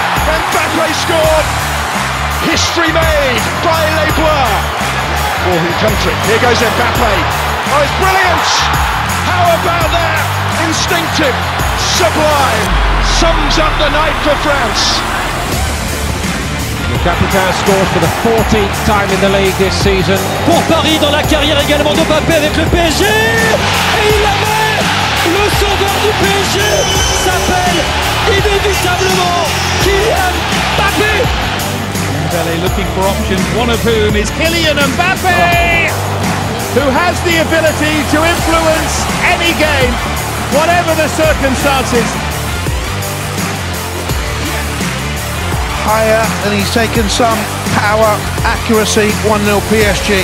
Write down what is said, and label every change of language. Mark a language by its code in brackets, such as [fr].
[en] Mbappé scored. History made by Les Bleus. For his country. Here goes Mbappé. Oh, it's brilliant. How about that? Instinctive. Sublime. Sums up the night for France. Capitaine scores for the 14th time in the league this season. [fr] Pour Paris dans la carrière également de Mbappé avec le PSG. Et il la met. Le sauveur du PSG s'appelle inévitablement Kylian Mbappé. [en] Dembélé looking for options, one of whom is Kylian Mbappé, who has the ability to influence any game, whatever the circumstances. Higher, and he's taken some power, accuracy, 1-0 PSG.